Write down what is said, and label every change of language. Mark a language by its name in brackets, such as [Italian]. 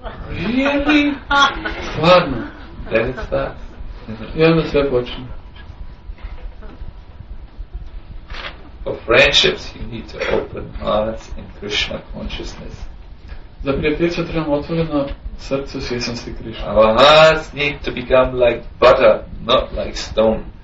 [English] Really? [Croatian] Stvarno. [English] Then it starts. [Croatian] I onda sve počne. [English] For friendships you need to open hearts and Krishna consciousness. [Croatian] Za prijateljstvo trebamo otvoreno srce svjesnosti Krishna. [English] Our hearts need to become like butter, not like stone.